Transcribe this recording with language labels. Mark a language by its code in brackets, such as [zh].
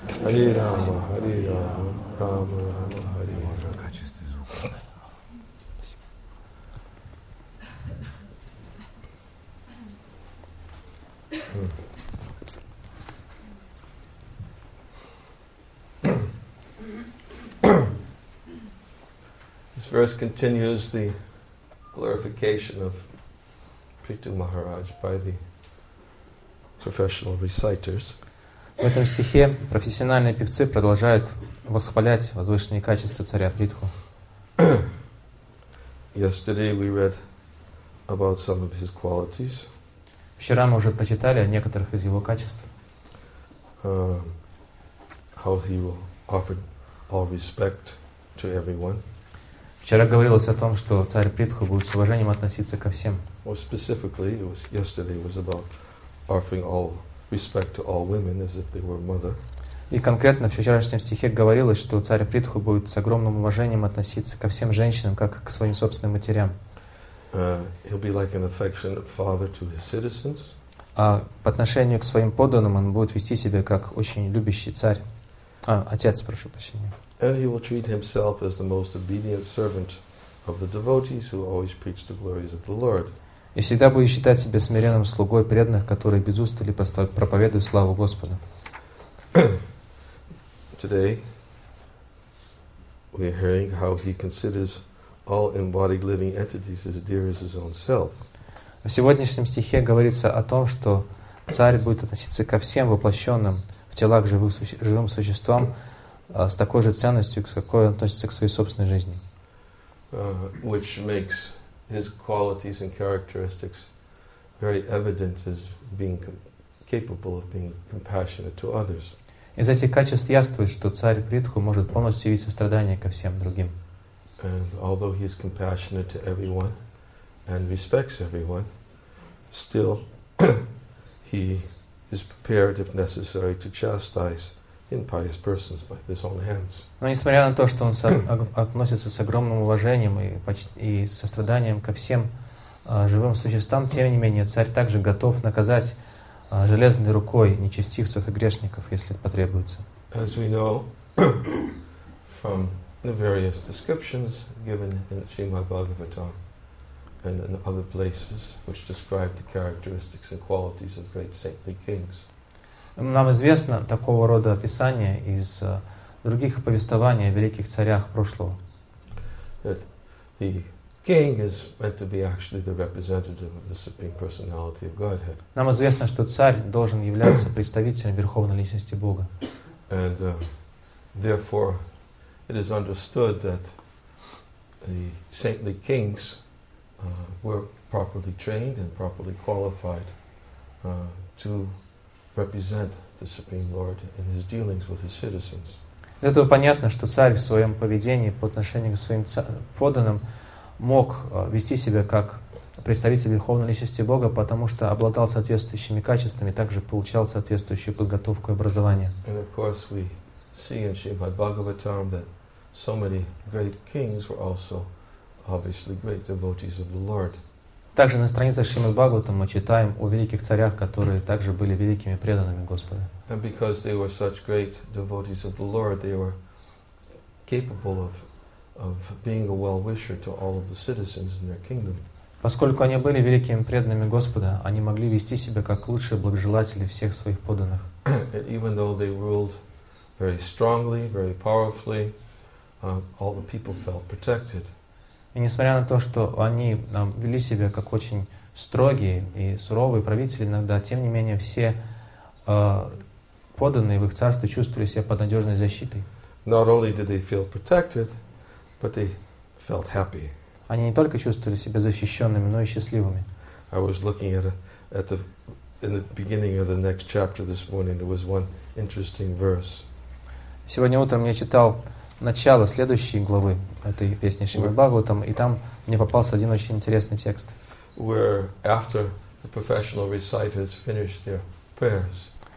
[sa] Hare Hare Rama Hare Rama Rama Rama Hare Hare [en] Verse continues the glorification of Prithu Maharaj by the professional reciters. [ru] В этом стихе профессиональные певцы продолжают восхвалять возвышенные качества царя Притху. [en] Yesterday we read about some of his qualities. [ru] Вчера мы уже прочитали о некоторых из его качеств. [en] How he offered all respect to everyone. [ru] Вчера говорилось о том, что царь Притху будет с уважением относиться ко всем. [en] More specifically, yesterday was about offering all respect to all women as if they were mother. [ru] И конкретно в вчерашнем стихе говорилось, что царь Притху будет с огромным уважением относиться ко всем женщинам, как к своим собственным матерям. [en] He'll be like an affectionate father to his citizens. [ru] А по отношению к своим подданным он будет вести себя как очень любящий царь. Отец, прошу прощения. [en] And he will treat himself as the most obedient servant of the devotees who always preach the glories of the Lord. [ru] И всегда будет считать себя смиренным слугой преданных, которые без устали проповедуют славу Господа. [en] Today we are hearing how he considers all embodied living entities as dear as his own self. [ru] В сегодняшнем стихе говорится о том, что царь будет относиться ко всем воплощенным в телах живым существам с такой же ценностью, к какой он относится к своей собственной жизни. [en] Which makes his qualities and characteristics very evident as being capable of being compassionate to others. [ru] Из этих качеств явствует, что царь Притху может полностью явить сострадание ко всем другим. [en] And although he is compassionate to everyone and respects everyone, still he is prepared, if necessary, to chastise impious persons by his own hands. [ru] Но несмотря на то, что он относится с огромным уважением и состраданием ко всем живым существам, тем не менее царь также готов наказать железной рукой нечестивцев и грешников, если это потребуется. [en] As we know from the various descriptions given in Srimad Bhagavatam and in other places which describe the characteristics and qualities of great saintly kings. [ru] Нам известно такого рода описание из других повествований о великих царях прошлого. [en] That the king is meant to be actually the representative of the Supreme Personality of Godhead. [ru] Нам известно, что царь должен являться представителем Верховной Личности Бога. [en] And therefore, it is understood that the saintly kings were properly trained and properly qualified to represent the Supreme Lord in his dealings with his citizens. [ru] Из этого понятно, что царь в своем поведении по отношению к своим подданным мог вести себя как представитель Верховной Личности Бога, потому что обладал соответствующими качествами, также получал соответствующую подготовку и образование. [en] And of course we see in Srimad Bhagavatam that so many great kings were also obviously great devotees of the Lord. [ru] Также на страницах Шримад Бхагаватам мы читаем о великих царях, которые также были великими преданными Господа. [en] And because they were such great devotees of the Lord, they were capable of being a well-wisher to all of the citizens in their kingdom. [ru] Поскольку они были великими преданными Господа, они могли вести себя как лучшие благожелатели всех своих подданных. [en] Even though they ruled very strongly, very powerfully, all the people felt protected. [ru] И несмотря на то, что они вели себя как очень строгие и суровые правители иногда, тем не менее все подданные в их царстве чувствовали себя под надежной защитой. [en] Not only did they feel protected, but they felt happy. [ru] Они не только чувствовали себя защищенными, но и счастливыми. [en] I was looking in the beginning of the next chapter this morning, there was one interesting verse. [ru] Сегодня утром я читал начало следующей главы этой песни Шримад Бхагаватам, и там мне попался один очень интересный текст. [en] Where after the professional reciters finished their prayers.